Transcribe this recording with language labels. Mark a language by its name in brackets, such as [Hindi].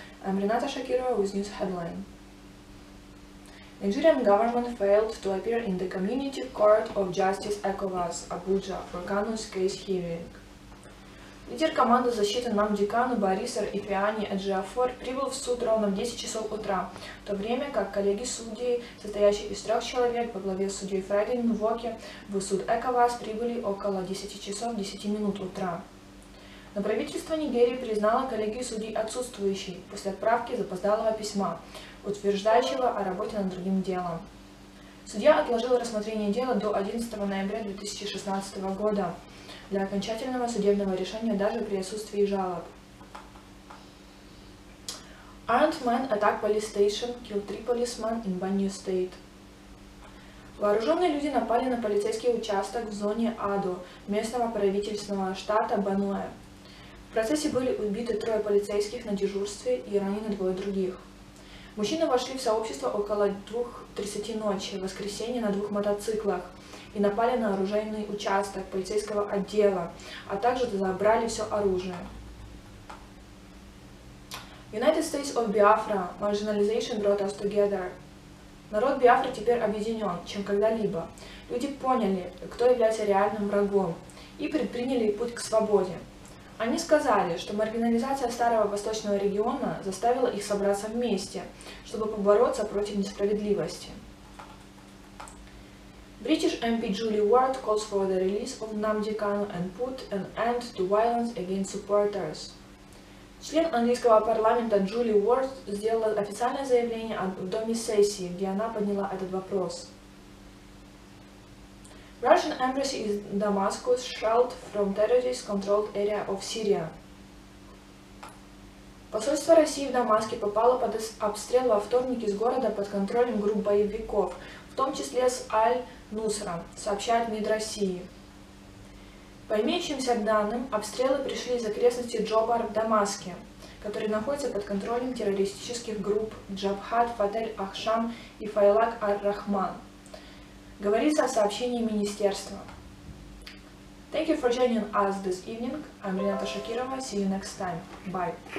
[English] I'm Renata Shakirova with News Headline. Nigerian government failed to appear in the Community Court of Justice ECOWAS Abuja for Kanu's case hearing. [Russian] Лідер команди защиты Намди Кану Бориса Ифеани Эджиафор прибыл в суд ровно в 10 часов утра, в то время как коллеги-судьи, состоящие из трех человек во главе с судьей Фредди Нвоки, в суд ЭКОВАС прибыли около 10 часов 10 минут утра. Но правительство Нигерии признало коллегию судей отсутствующей после отправки запоздалого письма, утверждающего о работе над другим делом. Судья отложил рассмотрение дела до 11 ноября 2016 года для окончательного судебного решения даже при отсутствии жалоб. [English] Armed man attack police station, killed three policemen in Banyu State. [Russian] Вооруженные люди напали на полицейский участок в зоне Адо местного правительственного штата Бануэ. В процессе были убиты трое полицейских на дежурстве и ранены двое других. Мужчины вошли в сообщество около 2:30 ночи, в воскресенье, на двух мотоциклах и напали на оружейный участок полицейского отдела, а также забрали все оружие. [English] United States of Biafra – marginalization brought us together. [Russian] Народ Биафры теперь объединен, чем когда-либо. Люди поняли, кто является реальным врагом, и предприняли путь к свободе. Они сказали, что маргинализация старого восточного региона заставила их собраться вместе, чтобы побороться против несправедливости. [English] British MP Julie Ward calls for the release of Namdi Kanu and put an end to violence against supporters. [Russian] Член английского парламента Джули Уорд сделала официальное заявление в доме сессии, где она подняла этот вопрос. [English] Russian embassy in Damascus shelled from terrorist-controlled area of Syria. [Russian] Посольство России в Дамаске попало под обстрел во вторник из города под контролем групп боевиков, в том числе с Аль-Нусра, сообщает МИД России. По имеющимся данным, обстрелы пришли из окрестностей Джобар в Дамаске, который находится под контролем террористических групп Джабхат Фатель Ахшам и Файлак Ар-Рахман. Говорится о сообщении министерства. [English] Thank you for joining us this evening. I'm Renata Shakirova. See you next time. Bye.